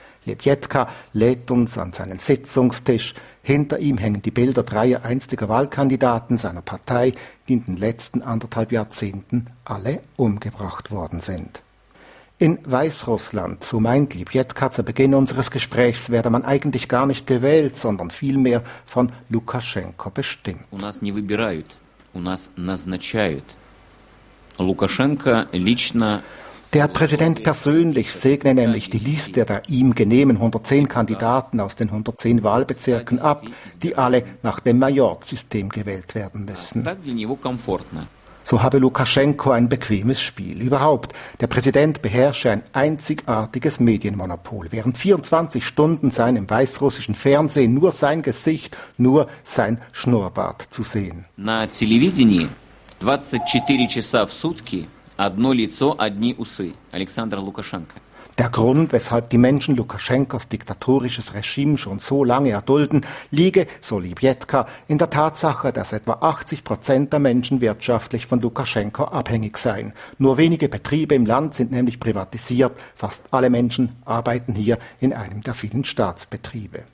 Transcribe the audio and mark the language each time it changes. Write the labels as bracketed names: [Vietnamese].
[German] Lebedka lädt uns an seinen Sitzungstisch. Hinter ihm hängen die Bilder dreier einstiger Wahlkandidaten seiner Partei, die in den letzten 1,5 Jahrzehnten alle umgebracht worden sind. In Weißrussland, so meint Lebedka zu Beginn unseres Gesprächs, werde man eigentlich gar nicht gewählt, sondern vielmehr von Lukaschenko bestimmt. [Russian] У нас не выбирают, у нас назначают. Лукашенко лично. [German] Der Präsident persönlich segne nämlich die Liste der ihm genehmen 110 Kandidaten aus den 110 Wahlbezirken ab, die alle nach dem Majorz-System gewählt werden müssen. So habe Lukaschenko ein bequemes Spiel. Überhaupt, der Präsident beherrsche ein einzigartiges Medienmonopol. Während 24 Stunden seien im weißrussischen Fernsehen nur sein Gesicht, nur sein Schnurrbart zu sehen. [Russian] На телевидении 24 часа в сутки одно лицо, одни усы. Александр Лукашенко. [German] Der Grund, weshalb die Menschen Lukaschenkos diktatorisches Regime schon so lange erdulden, liege, so Lebedka, in der Tatsache, dass etwa 80% der Menschen wirtschaftlich von Lukaschenko abhängig seien. Nur wenige Betriebe im Land sind nämlich privatisiert. Fast alle Menschen arbeiten hier in einem der vielen Staatsbetriebe.